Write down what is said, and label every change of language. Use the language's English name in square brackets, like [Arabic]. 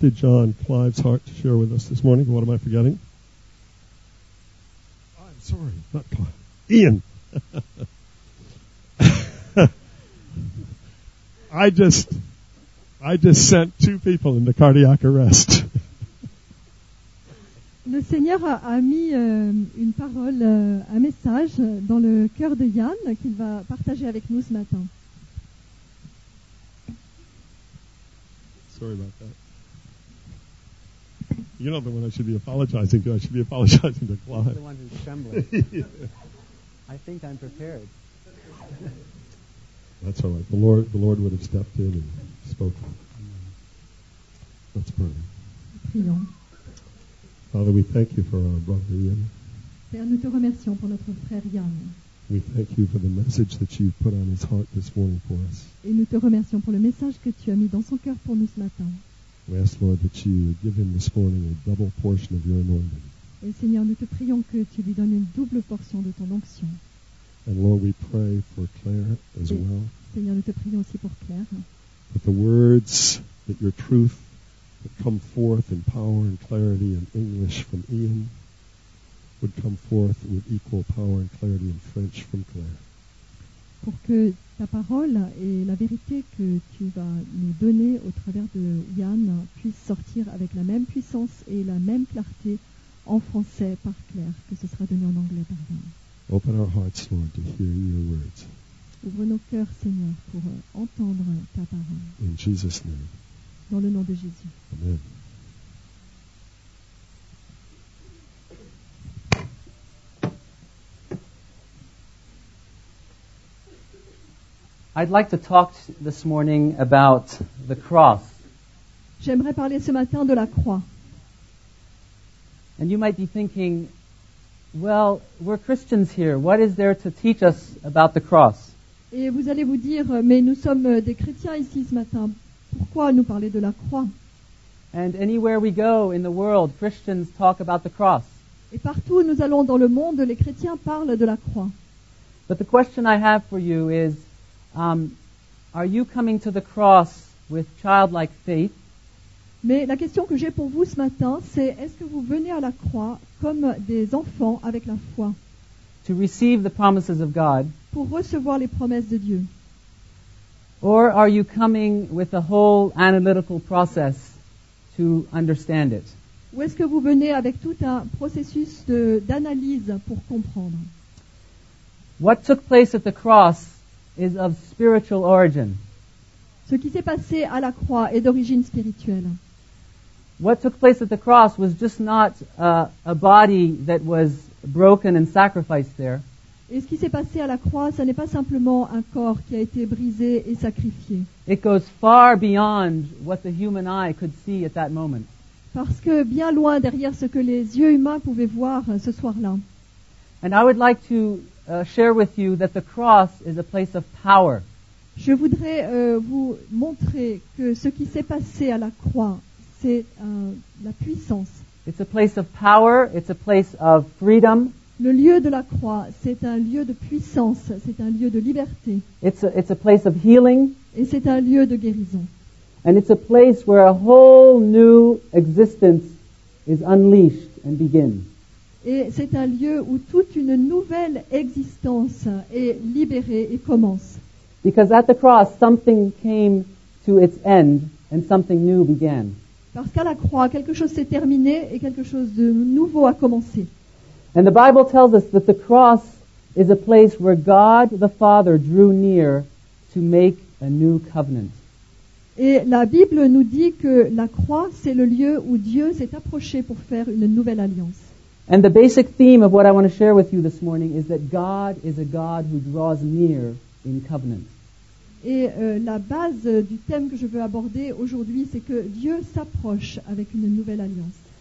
[English] Did John Clive's heart to share with us this morning? What am I forgetting? I'm sorry, not Clive. Ian. I just sent two people into cardiac arrest. [French] Le Seigneur a mis une parole, un message dans le cœur de Yann qu'il va partager avec nous ce matin. [English] Sorry about that. You're not the one I should be apologizing to. I should be apologizing to Clive. You're the one who's trembling. I think I'm prepared. That's all right. The Lord would have stepped in and spoken. Let's pray. [French] Prions. [English] Father, we thank you for our brother Ian. [French] Père, nous te remercions pour notre frère Ian. [English] We thank you for the message that you put on his heart this morning for us. [French] Et nous te remercions pour le message que tu as mis dans son cœur pour nous ce matin. [English] We ask, Lord, that you give him this morning a double portion of your anointing. [French] Et Seigneur, nous te prions que tu lui donnes une double portion de ton onction. [English] And Lord, we pray for Claire as well. [French] Seigneur, nous te prions aussi pour Claire. [English] That the words, that your truth, that come forth in power and clarity in English from Ian, would come forth with equal power and clarity in French from Claire. [French] Pour que ta parole et la vérité que tu vas nous donner au travers de Yann puissent sortir avec la même puissance et la même clarté en français par Claire, que ce sera donné en anglais par Yann. [English] Open our hearts, Lord, to hear your words. [French] Ouvre nos cœurs, Seigneur, pour entendre ta parole. [English] In Jesus' name. [French] Dans le nom de Jésus. [English] Amen. I'd like to talk this morning about the cross. [French] J'aimerais parler ce matin de la croix. [English] And you might be thinking, well, we're Christians here. What is there to teach us about the cross? [French] Et vous allez vous dire, mais nous sommes des chrétiens ici ce matin. Pourquoi nous parler de la croix? [English] And anywhere we go in the world, Christians talk about the cross. [French] Et partout où nous allons dans le monde, les chrétiens parlent de la croix. [English] But the question I have for you is, are you coming to the cross with childlike faith? [French] Mais la question que j'ai pour vous ce matin, c'est est-ce que vous venez à la croix comme des enfants avec la foi? [English] To receive the promises of God. [French] Pour recevoir les promesses de Dieu. [English] Or are you coming with a whole analytical process to understand it? [French] Où est-ce que vous venez avec tout un processus de, d'analyse pour comprendre? [English] What took place at the cross is of spiritual origin. [French] Ce qui s'est passé à la croix est d'origine spirituelle. [English] What took place at the cross was just not a body that was broken and sacrificed there. [French] Et ce qui s'est passé à la croix, ça n'est pas simplement un corps qui a été brisé et sacrifié. [English] It goes far beyond what the human eye could see at that moment. [French] Parce que bien loin derrière ce que les yeux humains pouvaient voir ce soir-là. [English] And I would like to share with you that the cross is a place of power. [French] Je voudrais vous montrer que ce qui s'est passé à la croix, c'est la puissance. [English] It's a place of power, it's a place of freedom. [French] Le lieu de la croix, c'est un lieu de puissance, c'est un lieu de liberté. [English] It's a place of healing. [French] Et c'est un lieu de guérison. [English] And it's a place where a whole new existence is unleashed and begins. [French] Et c'est un lieu où toute une nouvelle existence est libérée et commence. [English] Because at the cross, something came to its end and something new began. [French] Parce qu'à la croix, quelque chose s'est terminé et quelque chose de nouveau a commencé. [English] And the Bible tells us that the cross is a place where God the Father drew near to make a new covenant. [French] Et la Bible nous dit que la croix, c'est le lieu où Dieu s'est approché pour faire une nouvelle alliance. [English] And the basic theme of what I want to share with you this morning is that God is a God who draws near in covenant. [French] Et la base du thème que je veux aborder aujourd'hui, c'est que Dieu s'approche avec une nouvelle alliance.